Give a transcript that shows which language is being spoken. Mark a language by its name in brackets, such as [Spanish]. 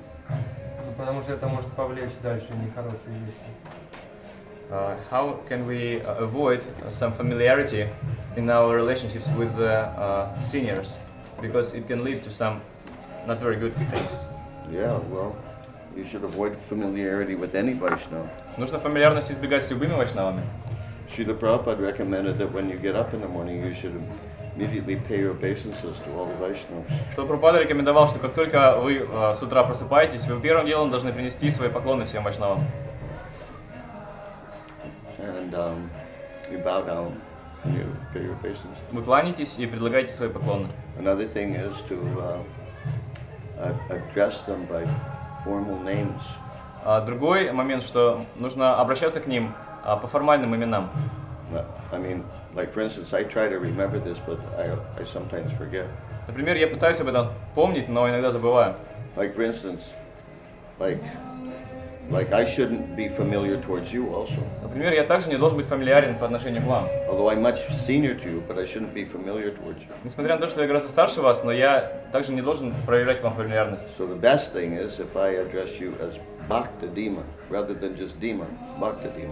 [Russian] Ну, потому что это может повлечь дальше нехорошие вещи. [English] How can we avoid some familiarity in our relationships with the seniors? Because it can lead to some not very good things. Yeah, well, you should avoid familiarity with any Vaishnava. [Russian] Нужно фамильярность избегать с любыми Вайшнавами. [English] Srila Prabhupada recommended that when you get up in the morning, you should immediately pay your obeisances to all the Vaishnavas. [Russian] Srila Prabhupada рекомендовал, что как только вы с утра просыпаетесь, вы первым делом должны принести свои поклоны всем Вайшнавам. [English] And you bow down. You pay your patience. [Russian] Вы кланяетесь и предлагаете свои поклоны. [English] Another thing is to address them by formal names. [Russian] Другой момент, что нужно обращаться к ним по формальным именам. [English] I mean, like for instance, I try to remember this, but I sometimes forget. [Russian] Например, я пытаюсь об этом помнить, но иногда забываю. [English] Like for instance, like I shouldn't be familiar towards you also. [Russian] Например, я также не должен быть фамильярен по отношению к вам. [English] Although I'm much senior to you, but I shouldn't be familiar towards you. [Russian] Несмотря на то, что я гораздо старше вас, но я также не должен проявлять к вам фамильярность. [English] So the best thing is if I address you as Bhakta Dima, rather than just Dima, Bhakta Dima.